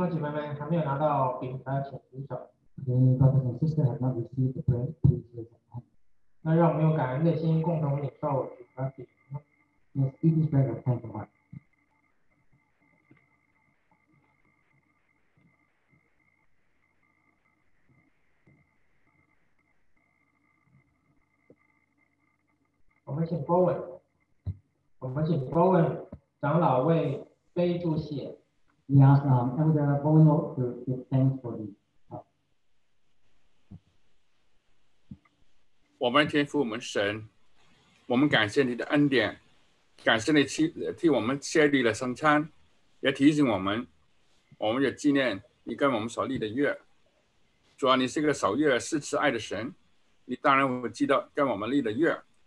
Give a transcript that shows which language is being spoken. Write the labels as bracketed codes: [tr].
[zh] 弟兄姐妹们还没有拿到饼的请举手。 [en] Brothers and sisters have not received the bread, please raise your hand. [zh] 那让我们用感恩的心共同领受饼和饼。 [en] Yes, eat this bread of thanks for one. [zh] 们请 Bowen， 我们请 Bowen 长老为杯祝谢。 [en] We ask Elder Bowen to give thanks for this. [zh] 我们天父，我们神，我们感谢你的恩典，感谢你替我们设立了圣餐，也提醒我们，我们也纪念你跟我们所立的约。主啊，你是个守约施慈爱的神，你当然会记得跟我们立的约。